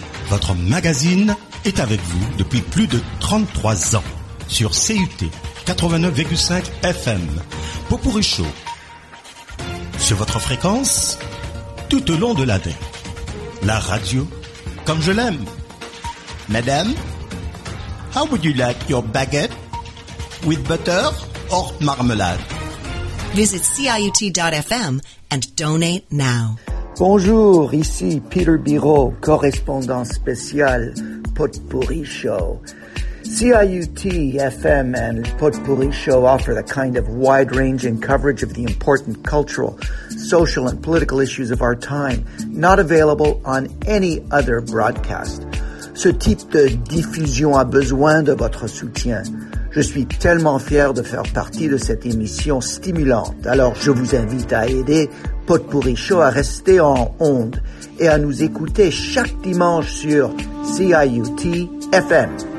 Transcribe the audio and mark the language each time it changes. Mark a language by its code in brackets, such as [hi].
[fr] Votre magazine est avec vous depuis plus de 33 ans. Sur CUT 89,5 FM, Popourri Show, sur votre fréquence, tout au long de l'année, la radio, comme je l'aime. [en] Madame, how would you like your baguette, with butter or marmalade? Visit CIUT.fm and donate now. [fr] Bonjour, ici Peter Biro, correspondant spécial Potpourri Show. [en] CIUT FM and Potpourri Show offer the kind of wide-ranging coverage of the important cultural, social, and political issues of our time, not available on any other broadcast. [fr] Ce type de diffusion a besoin de votre soutien. Je suis tellement fier de faire partie de cette émission stimulante. Alors, je vous invite à aider Potpourri Show à rester en onde et à nous écouter chaque dimanche sur CIUT FM.